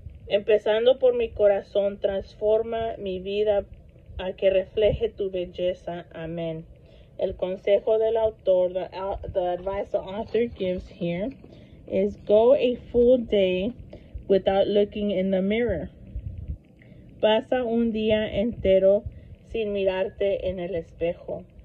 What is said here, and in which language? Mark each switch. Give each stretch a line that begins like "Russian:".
Spanish: Empezando por mi corazón, transforma mi vida a que refleje tu belleza.
English: Amen.
Spanish: El consejo del autor,
English: the advice the author gives here, is go a full day without looking in the mirror.
Spanish: Pasa un día entero sin mirarte en el espejo.